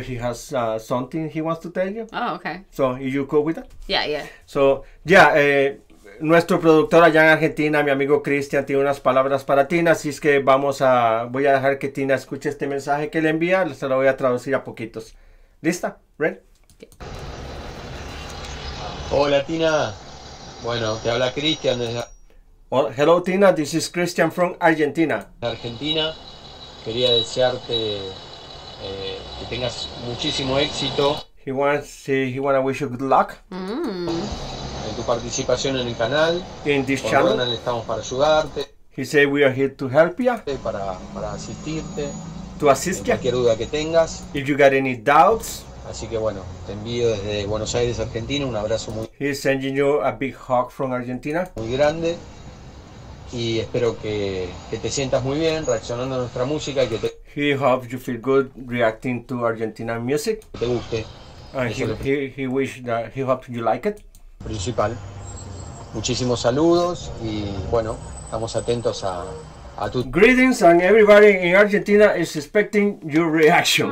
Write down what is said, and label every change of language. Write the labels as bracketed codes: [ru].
[en] He has something he wants to tell you. Oh, okay. So, you cool with that? Yeah. So, [es] nuestro productor allá en Argentina, mi amigo Cristian, tiene unas palabras para Tina, así es que voy a dejar que Tina escuche este mensaje que le envía, se lo voy a traducir a poquitos. [en] ¿Lista? ¿Ready? Yeah. [es] Hola, Tina. Bueno, te habla Cristian desde... [en] Well, hello, Tina. This is Cristian from Argentina. [es] Argentina. Quería desearte que tengas muchísimo éxito. [en] He wanna wish you good luck. [es] En tu participación en el canal. [en] In this channel. [es] Por Ronald estamos para ayudarte. [en] He said we are here to help you. [es] Para asistirte. [en] To assist you. [es] Cualquier duda que tengas. [en] If you got any doubts. [es] Así que bueno, te envío desde Buenos Aires, Argentina, un abrazo muy grande. [en] He's sending you a big hug from Argentina. [es] Muy grande. Y espero que te sientas muy bien reaccionando a nuestra música y que te... [en] He hopes you feel good reacting to Argentinian music. [es] Que te guste. [en] He hopes you like it. [es] Principal. Muchísimos saludos y bueno, estamos atentos a tu... [en] Greetings and everybody in Argentina is expecting your reaction.